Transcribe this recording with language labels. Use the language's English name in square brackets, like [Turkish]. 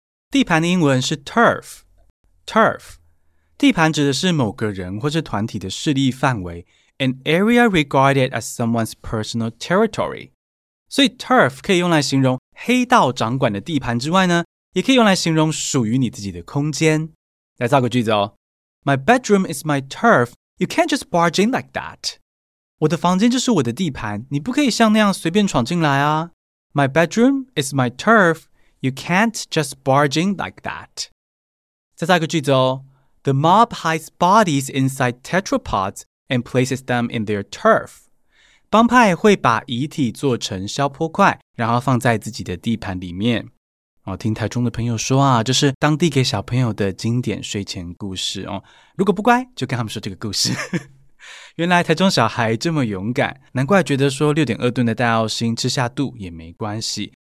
[Chinese] 地盘的英文是 turf，地盘指的是某个人或是团体的势力范围， [English] An area regarded as someone's personal territory。 [Chinese] 所以 turf 可以用来形容黑道掌管的地盘之外呢，也可以用来形容属于你自己的空间。来造个句子哦， [English] My bedroom is my turf, you can't just barge in like that。 [Chinese] 我的房间就是我的地盘，你不可以像那样随便闯进来啊。 [English] My bedroom is my turf, you can't just barge in like that。 [Chinese] 再造个句子哦， [English] The mob hides bodies inside tetrapods and places them in their turf. [Chinese] 帮派会把遗体做成消波块，然后放在自己的地盘里面。听台中的朋友说啊，这是当地给小朋友的经典睡前故事哦。如果不乖，就跟他们说这个故事。原来台中小孩这么勇敢，难怪觉得说 6.2 吨的戴澳星吃下肚也没关系。